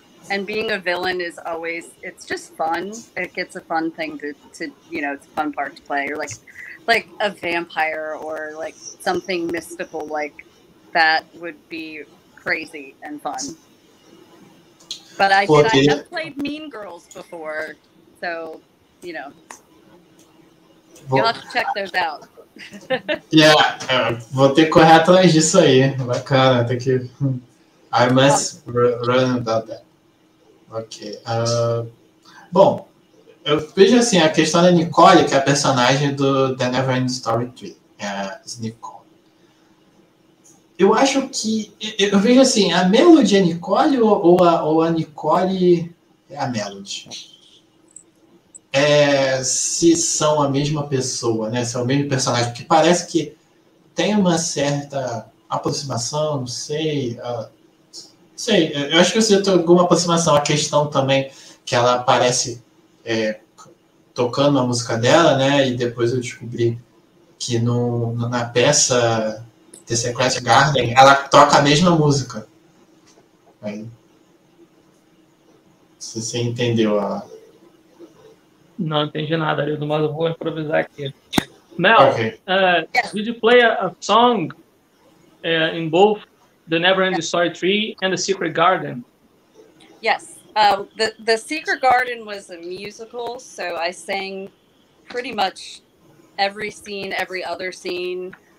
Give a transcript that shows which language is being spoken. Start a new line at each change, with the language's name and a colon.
English: And being a villain is always, it's just fun. It gets a fun thing to, you know, it's a fun part to play. Or like a vampire or like something mystical like that would be crazy and fun. But I have played Mean Girls before. So, you know, you'll have to check those out.
Portuguese: Yeah, vou ter que correr atrás disso aí. Bacana, tem que...
English: I must run about that. Ok.
Portuguese: Bom, eu vejo assim, a questão da Nicole, que é a personagem do The Neverending Story 3, é Nicole. Eu acho que, eu vejo assim, a Melody é Nicole ou a Nicole é a Melody? É, se são a mesma pessoa, né? Se é o mesmo personagem, porque parece que tem uma certa aproximação, não sei... Sei, eu acho que eu sinto alguma aproximação. A questão também que ela aparece tocando a música dela, né? E depois eu descobri que na peça The Secret Garden ela toca a mesma música. Aí, não sei se você entendeu ela. Não entendi nada, Arildo, mas eu vou improvisar aqui.
English: Mel, okay. Did you play a song in both The Neverending Story 3 and The Secret Garden? Yes. The Secret Garden was a musical, so I sang pretty much every scene, every other scene.